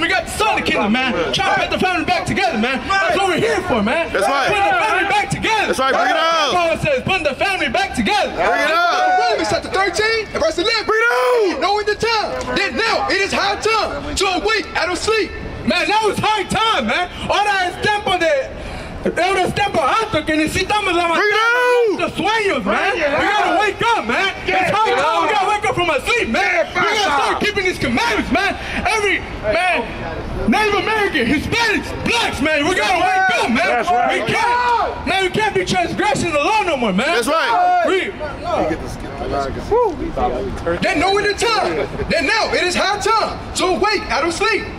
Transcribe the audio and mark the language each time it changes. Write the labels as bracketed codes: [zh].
[en] We got the Southern Kingdom, man, trying to put the family back together, man. That's what we're here for, man. That's right. Putting the family back together. That's right, bring it up. God says, putting the family back together. Bring it up. Romans chapter 13, verse 11. Bring it up. Knowing the time, that now it is high time to awake out of sleep. Man, that was high time, man. All that is [es] tempo de... El tiempo alto que necesitamos levantar los sueños, man. [en] We gotta wake up, man. It's high time. We gotta wake up from our sleep, man. We gotta start keeping these commandments, man. Every man, Native American, Hispanics, Blacks, man. We gotta wake up, man. We can't, man. We can't be transgressing the law no more, man. That's right. Then knowing the time, then now it is high time to awake out of sleep.